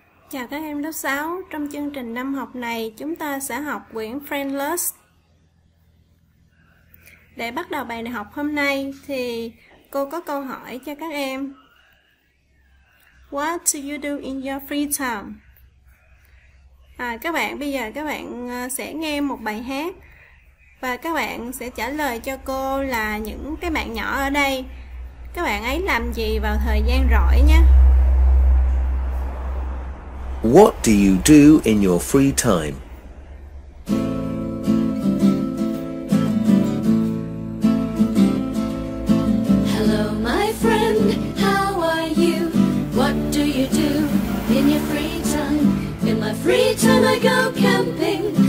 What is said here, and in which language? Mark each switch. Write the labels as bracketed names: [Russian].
[Vietnamese] Chào các em lớp 6, trong chương trình năm học này chúng ta sẽ học quyển Friendless. Để bắt đầu bài học hôm nay thì cô có câu hỏi cho các em. [English] What do you do in your free time? [Vietnamese] Các bạn bây giờ các bạn sẽ nghe một bài hát và các bạn sẽ trả lời cho cô là những cái bạn nhỏ ở đây. Các bạn ấy làm gì vào thời gian rỗi nhé? [English] What do you do in your free time? Hello, my friend, how are you? What do you do in your free time? In my free time, I go camping.